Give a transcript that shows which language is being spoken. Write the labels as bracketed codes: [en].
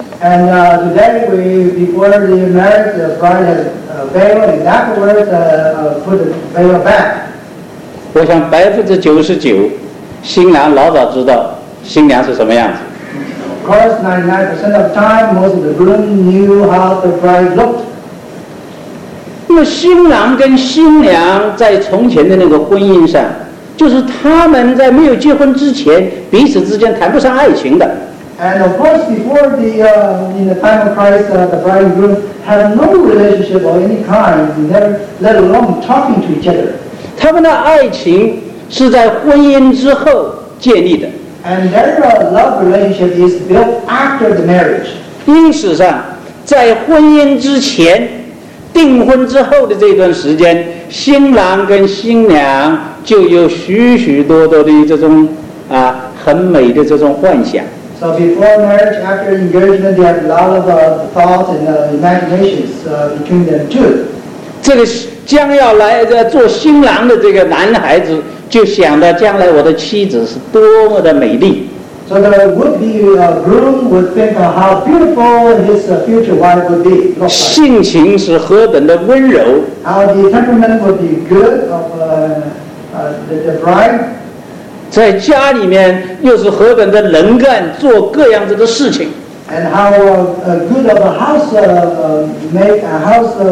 [en] And today we before the marriage, the bride has veil, and afterwards put the veil back. [zh] 我想99%，新郎老早知道新娘是什么样子。 [en] Of course, 99% of time, most of the groom knew how the bride looked. [zh] 那么新郎跟新娘在从前的那个婚姻上。就是他们在没有结婚之前，彼此之间谈不上爱情的。 [en] And of course, before the in the time of Christ, the bride and groom had no relationship of any kind, never let alone talking to each other. [zh] 他们的爱情是在婚姻之后建立的。 [en] And their love relationship is built after the marriage. [zh] 因此上，在婚姻之前。订婚之后的这段时间，新郎跟新娘就有许许多多的这种啊很美的这种幻想。 [en] So before marriage, after engagement, they have a lot of thoughts and imaginations between them too. [zh] 这个将要来做新郎的这个男孩子，就想到将来我的妻子是多么的美丽。 [en] So the would-be groom would think of how beautiful his future wife would be. [zh] 性情是何等的温柔。 [en] How the temperament would be good of the bride. [zh] 在家里面又是何等的能干，做各样子的事情。 [en] And how good of a house make a house